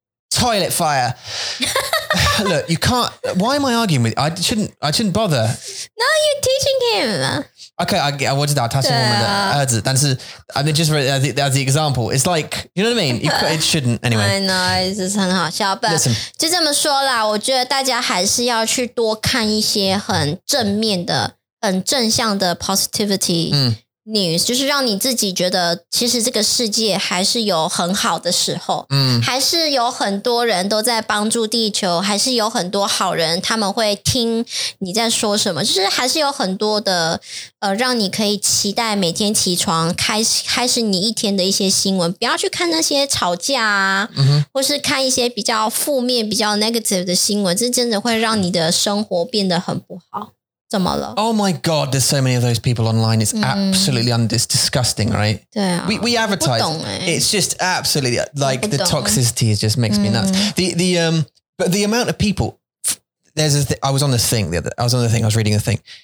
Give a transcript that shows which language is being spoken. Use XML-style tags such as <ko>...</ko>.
<en>Toilet fire. Look, you can't. Why am I arguing with you? I shouldn't bother. No, you're teaching him. Okay, I get. I want to know. That's the one that hurts. But just as the example, it's like, you know what I mean. It shouldn't anyway. I know, it's just</en> <zh>很好笑</zh> <en>but Listen,</en> <zh>就这么说啦。我觉得大家还是要去多看一些很正面的、很正向的 positivity news， 就是让你自己觉得其实这个世界还是有很好的时候，还是有很多人都在帮助地球，还是有很多好人，他们会听你在说什么，就是还是有很多的让你可以期待每天起床开始你一天的一些新闻，不要去看那些吵架啊，或是看一些比较负面比较 negative 的新闻，这真的会让你的生活变得很不好。</zh> <en>Oh my God, there's so many of those people online. It's absolutely disgusting, right? Yeah. We advertise. It's just absolutely, like, the toxicity is just makes me nuts. But the amount of people, I was on the thing, I was reading the thing.</en>